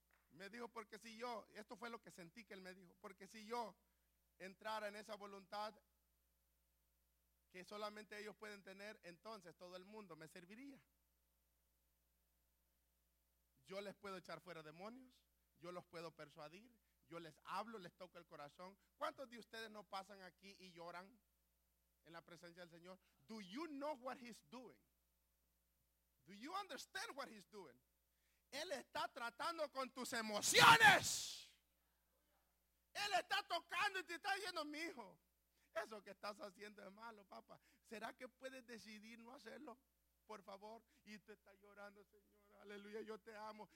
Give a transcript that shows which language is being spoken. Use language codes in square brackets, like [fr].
[es] Me dijo, porque si yo, esto fue lo que sentí que él me dijo, porque si yo entrara en esa voluntad que solamente ellos pueden tener, entonces todo el mundo me serviría. Yo les puedo echar fuera demonios, yo los puedo persuadir. Yo les hablo, les toco el corazón. ¿Cuántos de ustedes no pasan aquí y lloran en la presencia del Señor? [en] Do you know what he's doing? Do you understand what he's doing? [es] Él está tratando con tus emociones. Él está tocando y te está diciendo, mijo, eso que estás haciendo es malo, papá. ¿Será que puedes decidir no hacerlo? Por favor. Y te está llorando, Señor, aleluya, yo te amo.